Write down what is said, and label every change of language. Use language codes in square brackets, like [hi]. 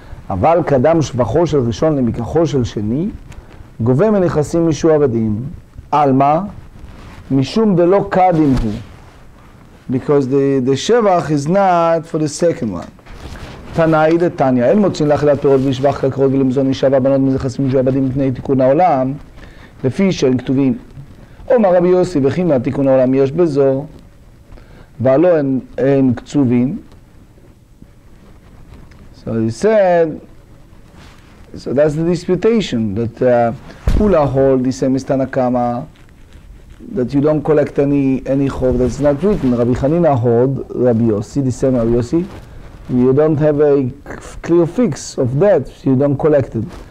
[he] אבל קדם שבחו של ראשון למקחו של שני, גובה מנכסים משועבדים. על מה? משום דלא קדים הוא. [en] Because the שבח is not for the second one. [he] תנאי דתניא, אין מוצאים לאכילת פירות ולשבח קרקרות ולמזון אישה והבנות מנכסים משועבדים מפני תיקון העולם, לפי שהם כתובים. אומר רבי יוסי, וכי מה תיקון העולם יש בזו, והלא הם קצובים. [en] So he said, so that's the disputation, that Ula hold the same as Tanakama, that you don't collect any chov that's not written. Rabbi Hanina hold Rabbi Yossi, the same Rabbi Yossi, you don't have a clear fix of that, so you don't collect it.